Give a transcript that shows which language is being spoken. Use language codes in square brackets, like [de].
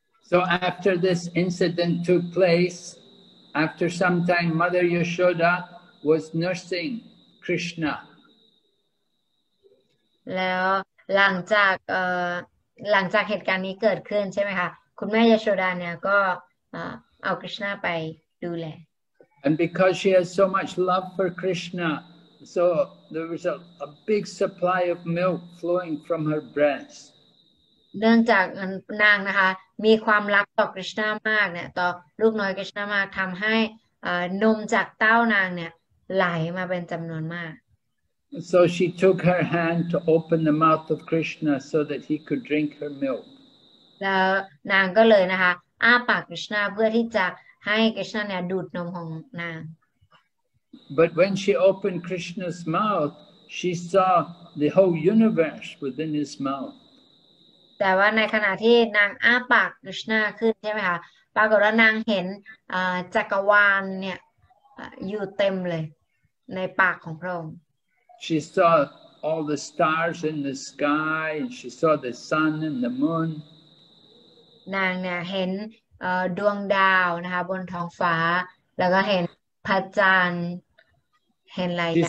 [en] So after this incident took place, after some time, Mother Yashoda was nursing Krishna. [th] แล้วหลังจากเหตุการณ์นี้เกิดขึ้นใช่ไหมคะคุณแม่ยโสดาเนี่ยก็เอาคริชนาไปดูแล [en] And because she has so much love for Krishna, so there was a big supply of milk flowing from her breast. [th] เนื่องจากนางนะคะมีความรักต่อคริชนามากเนี่ยต่อลูกน้อยคริชนามากทำให้นมจากเต้านางเนี่ยไหลมาเป็นจำนวนมาก [en] So she took her hand to open the mouth of Krishna so that he could drink her milk. [th] แล้วนางก็เลยนะคะอ้าปากคริชนาเพื่อที่จะให้คริชนาเนี่ยดูดนมของนาง [en] But when she opened Krishna's mouth, she saw the whole universe within his mouth. [th] แต่ว่าในขณะที่นางอ้าปากคริชนาขึ้นใช่ไหมคะปรากฏว่านางเห็นจักรวาลเนี่ยอยู่เต็มเลยในปากของพระองค์ [en] She saw all the stars in the sky and she saw the sun and the moon [th] นางเนี่ยเห็นดวงดาวนะคะบนท้องฟ้าแล้วก็เห็นพระจันทร์เห็นอะไร